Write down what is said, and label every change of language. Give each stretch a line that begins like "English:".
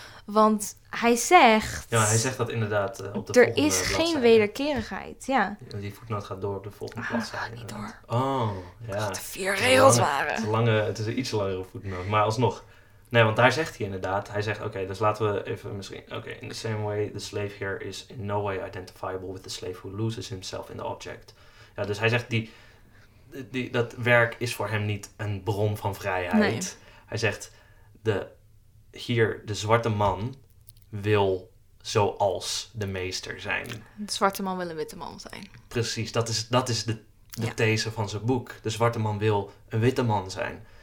Dutch: Want hij zegt... Ja, hij zegt dat inderdaad op de volgende bladzijde. Er is geen wederkerigheid, ja. Die voetnoot gaat door op de volgende bladzijde. Gaat niet door. Oh, ja. Dat er vier regels waren. Het is een iets langere voetnoot. Maar alsnog... Nee, want daar zegt hij inderdaad. Hij zegt, oké, dus laten we even misschien...
English: Oké, in the same way, the slave here is in no way identifiable with the slave who loses himself in the object.
Dutch: Ja, dus hij zegt, dat werk is voor hem niet een bron van vrijheid. Nee. Hij zegt... De zwarte man wil zoals de meester zijn. De zwarte man wil een witte man zijn. Precies, dat is de these van zijn boek. De zwarte man wil een witte man zijn.